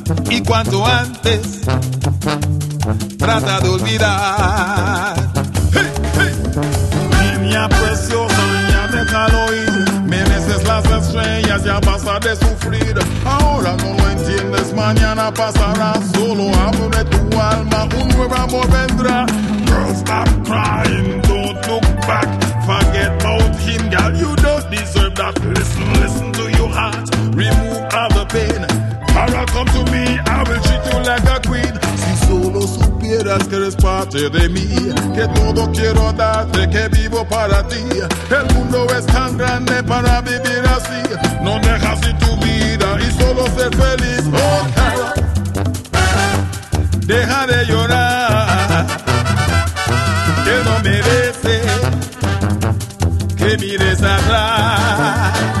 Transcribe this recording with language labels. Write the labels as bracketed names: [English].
[Spanish] Y cuanto antes, trata de olvidar. Hey, hey. Niña preciosa, ya déjalo ir. Mereces las estrellas, ya vas a de sufrir. Ahora no lo entiendes, mañana pasará. Solo abre tu alma, un nuevo amor vendrá. [English] Girl, stop crying, don't look back. Forget about him, girl, you don't deserve that. Listen to your heart, remove all the pain. Para, come to me, I will treat you like a queen. [Spanish] Si solo supieras que eres parte de mí, que todo quiero darte, que vivo para ti. El mundo es tan grande para vivir así. No dejas ir tu vida y solo ser feliz. [English] Oh, girl, [Spanish] deja de llorar, que no merece que mires atrás.